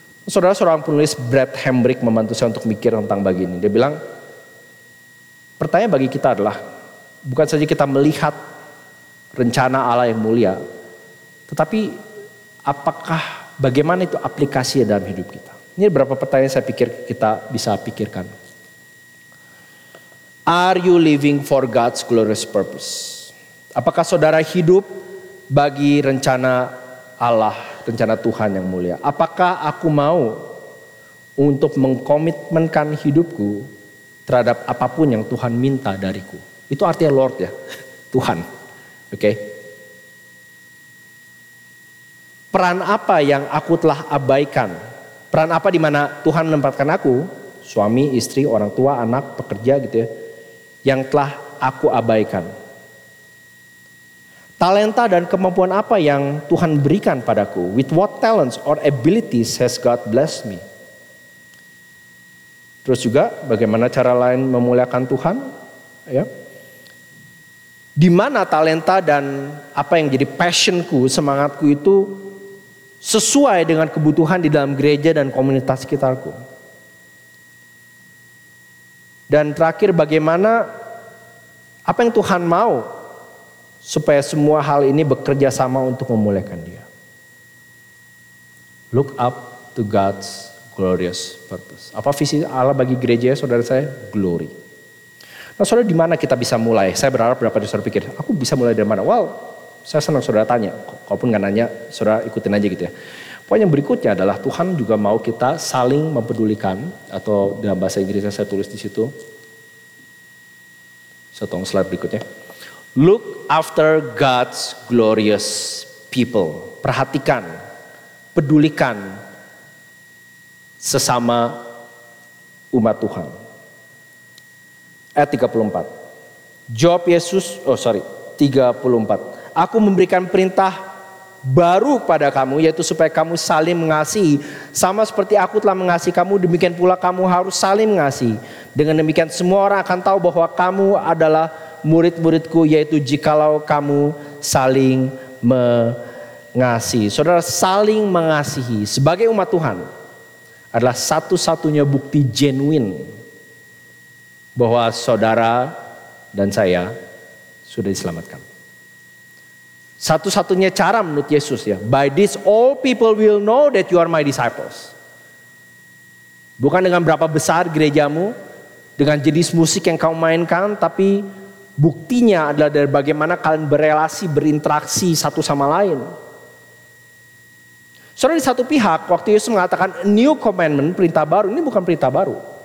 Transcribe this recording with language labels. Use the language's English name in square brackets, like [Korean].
[Indonesian] Saudara, seorang penulis Brett Hembrick membantu saya untuk mikir tentang bagi ini. Dia bilang, pertanyaan bagi kita adalah, bukan saja kita melihat rencana Allah yang mulia, tetapi apakah, bagaimana itu aplikasinya dalam hidup kita? Ini beberapa pertanyaan saya pikir kita bisa pikirkan. [English] Are you living for God's glorious purpose? [Indonesian] Apakah saudara hidup bagi rencana Allah, rencana Tuhan yang mulia? Apakah aku mau untuk mengkomitmenkan hidupku terhadap apapun yang Tuhan minta dariku? Itu artinya Lord ya, Tuhan. Oke. Okay. Peran apa yang aku telah abaikan? Peran apa di mana Tuhan menempatkan aku? Suami, istri, orang tua, anak, pekerja gitu ya. yang telah aku abaikan. Talenta dan kemampuan apa yang Tuhan berikan padaku? [English] With what talents or abilities has God blessed me? [Indonesian] Terus juga bagaimana cara lain memuliakan Tuhan? Ya. Di mana talenta dan apa yang jadi passionku, semangatku itu sesuai dengan kebutuhan di dalam gereja dan komunitas sekitarku? Dan terakhir, bagaimana apa yang Tuhan mau supaya semua hal ini bekerja sama untuk memuliakan Dia? [English] Look up to God's glorious purpose. [Indonesian] Apa visi Allah bagi gereja, saudara saya? Glory. Nah, saudara, di mana kita bisa mulai? Saya berharap berapa dari saudara pikir, aku bisa mulai dari mana? Well, saya senang saudara tanya. Kalaupun nggak nanya, saudara ikutin aja gitu ya. Poin yang berikutnya adalah Tuhan juga mau kita saling mempedulikan, atau dalam bahasa Inggrisnya saya tulis di situ. Satu slide berikutnya. [English] Look after God's glorious people. [Indonesian] Perhatikan, pedulikan sesama umat Tuhan. Ayat 34. Jawab Yesus, 34. Aku memberikan perintah baru pada kamu, yaitu supaya kamu saling mengasihi. Sama seperti aku telah mengasihi kamu, demikian pula kamu harus saling mengasihi. Dengan demikian semua orang akan tahu bahwa kamu adalah murid-muridku, yaitu jikalau kamu saling mengasihi. Saudara, saling mengasihi sebagai umat Tuhan adalah satu-satunya bukti genuine bahwa saudara dan saya sudah diselamatkan. Satu-satunya cara menurut Yesus ya, [English] by this all people will know that you are my disciples. [Indonesian] Bukan dengan berapa besar gerejamu, dengan jenis musik yang kamu mainkan, tapi buktinya adalah dari bagaimana kalian berelasi, berinteraksi satu sama lain. Soalnya di satu pihak, waktu Yesus mengatakan new commandment, perintah baru, ini bukan perintah baru.